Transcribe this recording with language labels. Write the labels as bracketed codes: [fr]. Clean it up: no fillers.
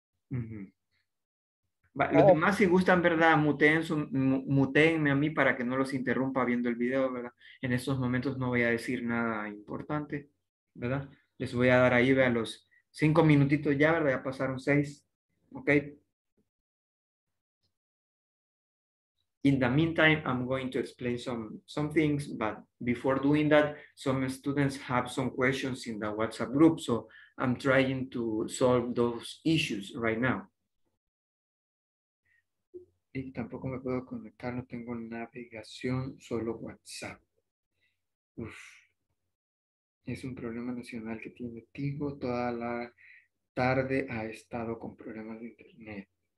[es] Uh-huh. Los demás, si gustan, ¿verdad? Muteenme a mí para que no los interrumpa viendo el video, ¿verdad? En estos momentos no voy a decir nada importante, ¿verdad? Les voy a dar ahí, vean, los 5 minutitos ya, ¿verdad? Ya pasaron 6. [en] Ok. In the meantime, I'm going to explain some things, but before doing that, some students have some questions in the WhatsApp group, so I'm trying to solve those issues right now. [es] Y tampoco me puedo conectar, no tengo navegación, solo WhatsApp. Uf. Es un problema nacional que tiene Tigo, toda la tarde ha estado con problemas de internet.